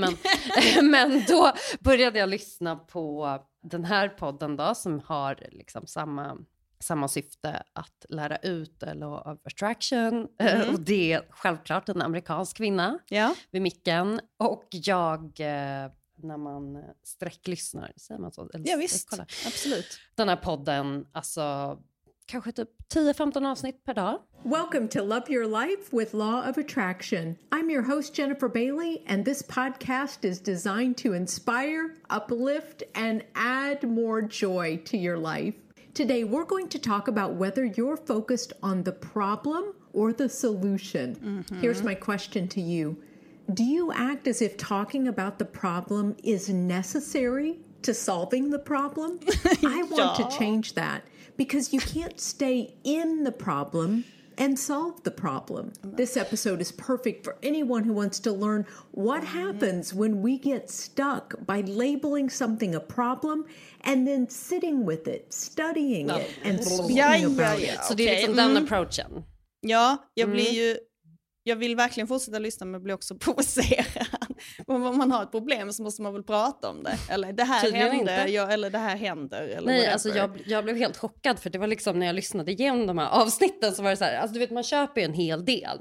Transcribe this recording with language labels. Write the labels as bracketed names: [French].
[Swedish] Men, men då började jag lyssna på den här podden då, som har liksom samma syfte, att lära ut Law of Attraction. Mm. Och det är självklart en amerikansk kvinna vid micken. Och jag, när man sträcklyssnar, säger man så? Eller, ja visst, kolla. Absolut. Den här podden, alltså kanske typ 10-15 avsnitt per dag. [English] Welcome to Love Your Life with Law of Attraction. I'm your host Jennifer Bailey, and this podcast is designed to inspire, uplift and add more joy to your life. Today, we're going to talk about whether you're focused on the problem or the solution. Mm-hmm. Here's my question to you. Do you act as if talking about the problem is necessary to solving the problem. I want to change that because you can't stay in the problem and solve the problem. This episode is perfect for anyone who wants to learn what happens when we get stuck by labeling something a problem and then sitting with it, studying it, and speaking about it. [Swedish] Så det är liksom den approachen. Ja, jag blir ju... Jag vill verkligen fortsätta lyssna, men blir också provocerad. Om man har ett problem så måste man väl prata om det. Eller det här tydligen hände, jag, eller det här händer. Eller nej, alltså jag blev helt chockad, för det var liksom när jag lyssnade igenom de här avsnitten så var det så här, alltså du vet, man köper ju en hel del.